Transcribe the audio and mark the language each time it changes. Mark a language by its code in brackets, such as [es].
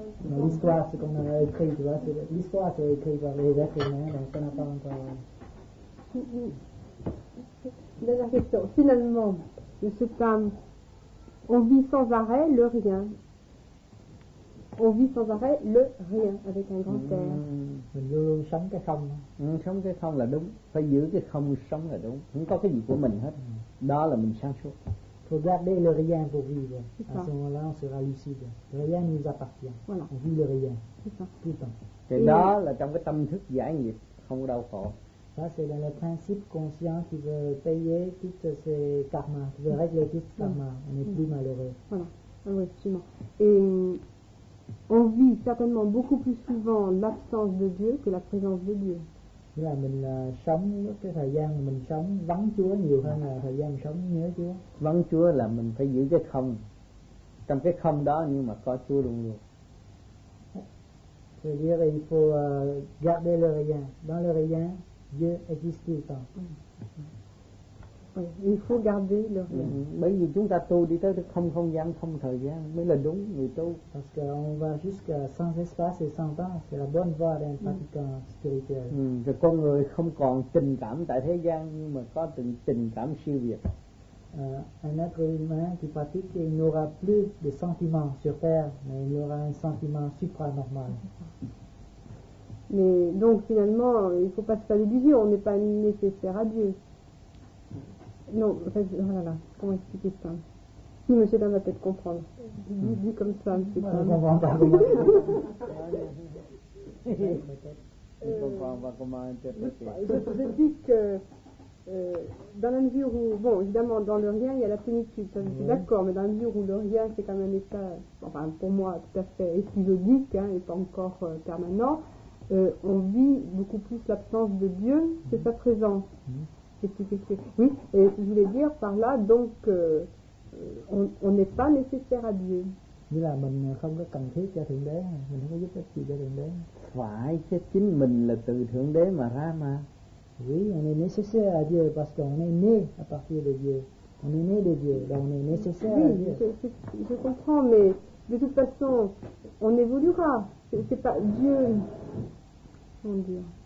[fr] Dans l'histoire, ce qu'on a écrit, tu vois, c'est, l'histoire, c'est écrit par les êtres humains, donc ça n'a pas encore. Dans la question, finalement, de ce temps, on vit sans arrêt le rien. On vit sans arrêt le rien avec un grand R. [vi] Mình luôn luôn sống cái không. Sống cái không là đúng. Phải giữ cái không sống là đúng. Không có cái gì của mình hết. Đó là mình sáng suốt. [fr] Faut garder le rien pour vivre. À ce moment-là, on sera lucide. Rien nous appartient. Voilà. On vit le rien. C'est ça. [vi] Thì đó là trong cái tâm thức giải nghiệp, không đau khổ. [fr] Ça, c'est dans le principe conscient qui veut payer toutes ses karmas, qui veut régler toutes ses karmas. On n'est plus malheureux. Voilà. Oui, effectivement. Et on vit certainement beaucoup plus souvent l'absence de Dieu que la présence de Dieu. [vi] Là, mình sống cái thời gian mình sống vắng Chúa nhiều hơn là thời gian sống nhớ Chúa. Vắng Chúa là mình phải giữ cái không, trong cái không đó nhưng mà có Chúa luôn luôn. [fr] C'est-à-dire il faut garder le rien. Dans le rien, Dieu existe tout le temps. Oui, il faut garder le rien. [vi] Bởi vì chúng ta tu đi tới không không gian, không thời gian mới là đúng người tu. [fr] Parce qu'on va jusqu'à sans espace et sans temps, c'est la bonne voie d'un pratiquant spirituel. [vi] Rồi con người không còn tình cảm tại thế gian nhưng mà có tình cảm siêu việt. [fr] Un être humain qui pratique, il n'aura plus de sentiments sur terre, mais il aura un sentiment supranormal. Mais donc finalement, il ne faut pas se faire d'illusions, on n'est pas nécessaire à Dieu. Non, voilà, comment expliquer ça? Si monsieur Dan va peut-être comprendre. Il dit comme ça, monsieur Dan. On ne comprend pas comment interpréter. Je dis que. Dans la mesure où, bon, évidemment, dans le rien, il y a la plénitude, ça, je suis d'accord, mais dans la mesure où le rien, c'est quand même un état, enfin, pour moi, tout à fait épisodique, hein, et pas encore permanent, on vit beaucoup plus l'absence de Dieu que sa présence. Oui, et je voulais dire par là, donc, on n'est pas nécessaire à Dieu. [vi] Nghĩa là mình không có cần thiết cho Thượng Đế, mình không có giúp ích gì cho Thượng Đế. Phải, chứ chính mình là từ Thượng Đế mà ra mà. [fr] Oui, on est nécessaire à Dieu parce qu'on est né à partir de Dieu. On est né de Dieu, donc on est nécessaire oui, à Dieu. Je comprends, mais de toute façon, on évoluera. C'est pas Dieu. Comment dire?